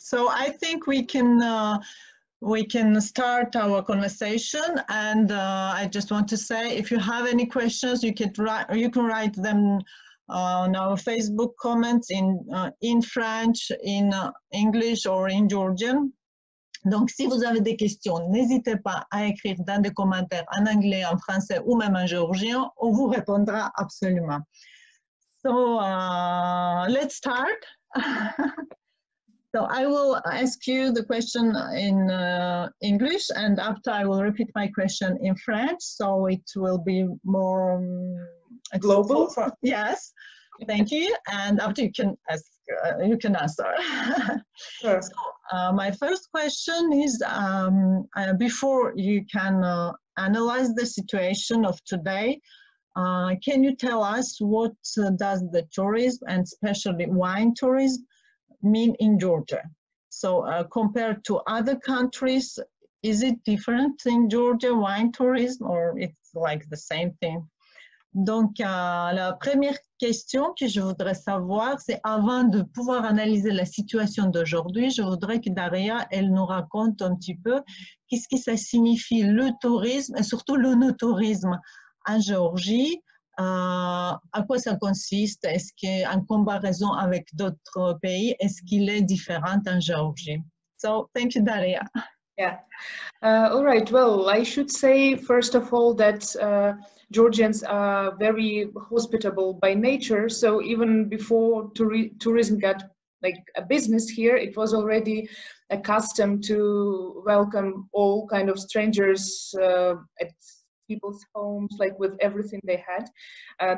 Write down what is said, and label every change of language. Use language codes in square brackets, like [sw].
[en] So I think we can start our conversation and I just want to say if you have any questions, you can write them on our Facebook comments in French, in English or in Georgian. [fr] Donc, si vous avez des questions, n'hésitez pas à écrire dans les commentaires en anglais, en français ou même en géorgien, on vous répondra absolument. [en] So, let's start. So, I will ask you the question in English and after I will repeat my question in French, so it will be more global. Yes, thank you. And after you can ask. You can answer. Sure. So, my first question is, before you can analyze the situation of today, can you tell us what does the tourism and especially wine tourism mean in Georgia? So compared to other countries, is it different in Georgia, wine tourism, or it's like the same thing? [fr] Donc, la première question que je voudrais savoir, c'est avant de pouvoir analyser la situation d'aujourd'hui, je voudrais que Daria, elle nous raconte un petit peu qu'est-ce que ça signifie le tourisme et surtout le no-tourisme en Géorgie, à quoi ça consiste, est-ce qu'en comparaison avec d'autres pays, est-ce qu'il est différent en Géorgie? [en] So, thank you, Daria. Yeah. All right. Well, I should say, first of all, that Georgians are very hospitable by nature. So even before tourism got like a business here, it was already a custom to welcome all kind of strangers at people's homes, like with everything they had.